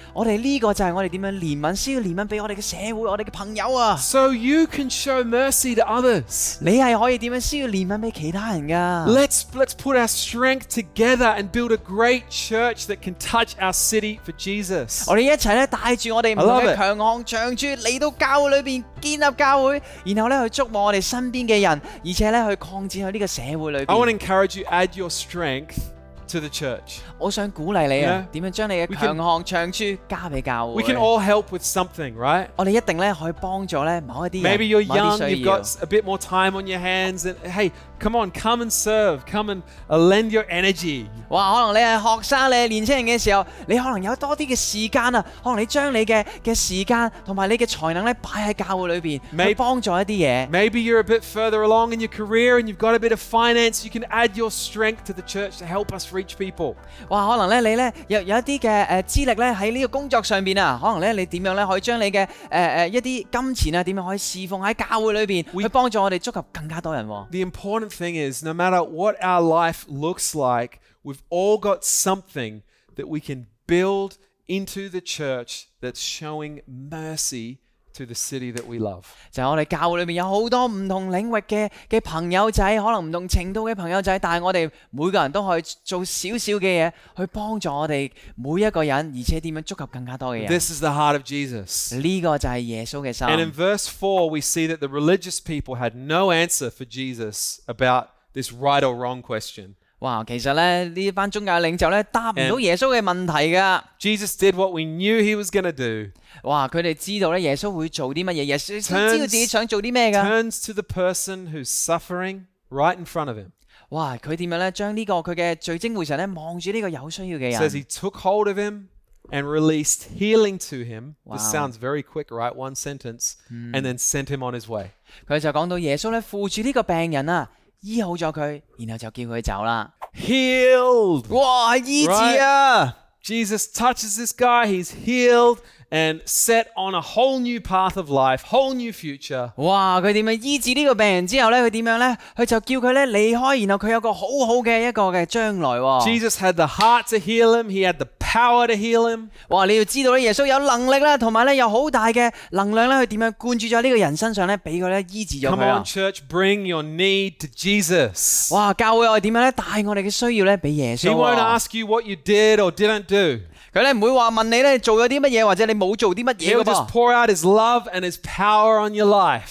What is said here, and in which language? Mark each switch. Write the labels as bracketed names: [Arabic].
[Cantonese] 我哋呢个就系我哋点样怜悯，需要怜悯俾我哋嘅社会、我哋嘅朋友啊。 [English] So you can show mercy to others. [Cantonese] 你系可以点样需要怜悯俾其他人噶 [English] ？Let's put our strength together and build a great church that can touch our city for Jesus. [Cantonese] 我哋一齐咧带住我哋唔同嘅强项、长处嚟到教会。里边建立教会，然后咧去触摸我哋身边嘅人，而且咧去扩展喺呢个社会里边。 [English] I want to encourage you add your strength to the church. [Cantonese] 我想鼓励你啊，点样将你嘅强项、长处加俾教会 [English] ？We can all help with something, right? [Cantonese] 我哋一定咧可以帮助咧某一啲人。 [English] Maybe you're young, you've got a bit more time on your hands, and hey, come on, come and serve, come and lend your energy. [Cantonese] 哇，可能你系学生，你系年轻人嘅时候，你可能有多啲嘅时间啊，可能你将你嘅时间同埋你嘅才能咧摆喺教会里边，去帮助一啲嘢。 [English] Maybe you're a bit further along in your career and you've got a bit of finance, you can add your strength to the church to help us reach people. [Cantonese] 哇，可能咧你咧有一啲嘅资历咧喺呢个工作上边啊，可能咧你点样咧可以将你嘅一啲金钱啊，点样可以侍奉喺教会里边，去帮助我哋触及更加多人。 [English] The important thing is, no matter what our life looks like, we've all got something that we can build into the church that's showing mercy to the city that we love. [Cantonese] 就係我哋教會裏邊有好多唔同領域嘅朋友仔，可能唔同程度嘅朋友仔，但係我哋每個人都可以做少少嘅嘢，去幫助我哋每一個人，而且點樣觸及更加多嘅人。 [English] This is the heart of Jesus. [Cantonese] 呢個就係耶穌嘅心。 [English] And in verse 4, we see that the religious people had no answer for Jesus about this right or wrong question. [Cantonese] 哇，其實咧呢班宗教領袖咧答唔到耶穌嘅問題㗎。 [English] Jesus did what we knew he was going to do. [Cantonese] 哇，佢哋知道咧耶穌會做啲乜嘢，耶穌知道自己想做啲咩㗎。 [English] Turns to the person who's suffering right in front of him. [Cantonese] 哇，佢點樣咧？將呢個佢嘅聚精會神咧望住呢個有需要嘅人。 [English] Says he took hold of him and released healing to him. This sounds very quick, right? One sentence, and then sent him on his way. [Cantonese] 佢就講到耶穌咧扶住呢個病人啊。医好咗佢，然后就叫佢走啦。 [English] Healed， [Cantonese] 哇，医治啊 [English] ！Jesus touches this guy, he's healed and set on a whole new path of life, whole new future。 [Cantonese] 哇，佢点样医治呢个病人之后咧？佢点样咧？佢就叫佢咧离开，然后佢有个好好嘅一个嘅将来。 [English] Jesus had the heart to heal him, he had the power to heal him。 [Cantonese] 哇，你要知道咧，耶稣有能力啦，同埋咧有好大嘅能量咧，去点样灌注咗呢个人身上咧，俾佢咧医治咗佢。 [English] Come on, church, bring your need to Jesus。 [Cantonese] 哇，教会我哋点样咧带我哋嘅需要咧俾耶稣。 [English] He won't ask you what you did or didn't do。 [Cantonese] 佢咧唔会话问你咧做咗啲乜嘢，或者你冇做啲乜嘢噶噃。 [English] He'll just pour out his love and his power on your life。